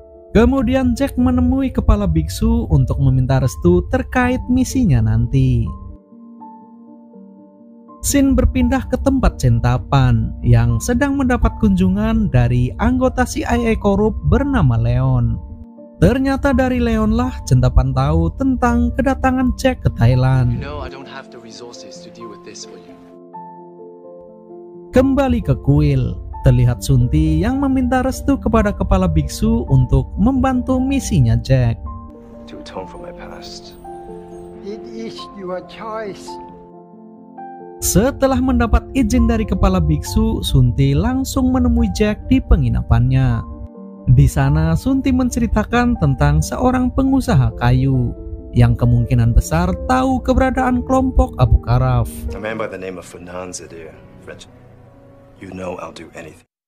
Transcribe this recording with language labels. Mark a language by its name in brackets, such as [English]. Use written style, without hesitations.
[Indonesian] Kemudian Jack menemui kepala biksu untuk meminta restu terkait misinya nanti. Sin berpindah ke tempat Centapan yang sedang mendapat kunjungan dari anggota CIA korup bernama Leon. Ternyata dari Leon lah Centapan tahu tentang kedatangan Jack ke Thailand. [English] You know, I don't have the resources to deal with this for you. [Indonesian] Kembali ke kuil, terlihat Sunti yang meminta restu kepada kepala biksu untuk membantu misinya Jack. [English] To atone for my past. It is your choice. [Indonesian] Setelah mendapat izin dari kepala biksu, Sunti langsung menemui Jack di penginapannya. Di sana Sunti menceritakan tentang seorang pengusaha kayu yang kemungkinan besar tahu keberadaan kelompok Abu Karaf. [English] A man by the name of Funanza, dear friend. You know I'll do anything.